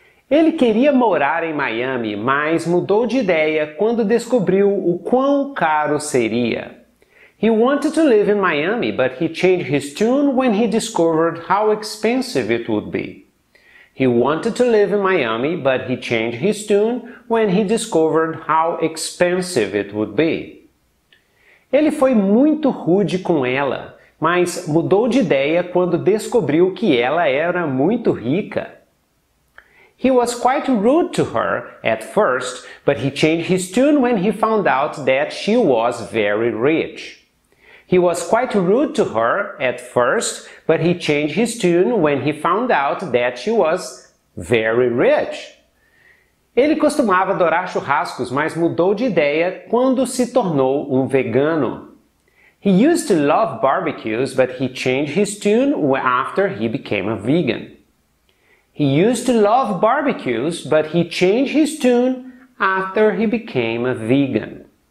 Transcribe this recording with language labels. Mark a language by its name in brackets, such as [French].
[Portuguese] Ele queria morar em Miami, mas mudou de ideia quando descobriu o quão caro seria. [English] He wanted to live in Miami, but he changed his tune when he discovered how expensive it would be. He wanted to live in Miami, but he changed his tune when he discovered how expensive it would be. [Portuguese] Ele foi muito rude com ela, mas mudou de ideia quando descobriu que ela era muito rica. [English] He was quite rude to her at first, but he changed his tune when he found out that she was very rich. He was quite rude to her at first, but he changed his tune when he found out that she was very rich. [Portuguese] Ele costumava adorar churrascos, mas mudou de ideia quando se tornou vegano. [English] He used to love barbecues, but he changed his tune after he became a vegan. He used to love barbecues, but he changed his tune after he became a vegan.